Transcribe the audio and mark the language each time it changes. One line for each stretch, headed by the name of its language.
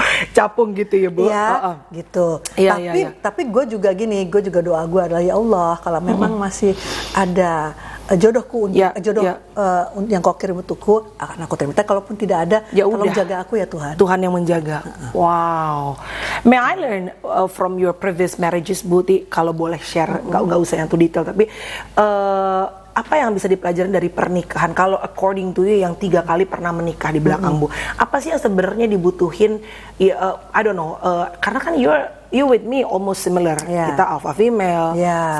Indonesian: Capung gitu ya, Bu. Iya, gitu. Ya, tapi tapi gue juga gini, gue juga doa gue adalah ya Allah, kalau memang masih ada jodohku untuk yang kau kirim untukku akan aku terima. Tapi kalaupun tidak ada, ya tolong jaga aku ya Tuhan. Tuhan yang menjaga. Wow.
English: May I learn from your previous marriages, Buti?
Indonesian: Kalau boleh share, nggak usah yang
English: too detail.
Indonesian: Tapi apa yang bisa dipelajari dari pernikahan? Kalau
English: according to you
Indonesian: yang tiga kali pernah menikah di belakang Bu, apa sih yang sebenarnya dibutuhin? Karena kan
English: you with me almost similar. Yeah.
Indonesian: Kita alpha female.
English: Yeah.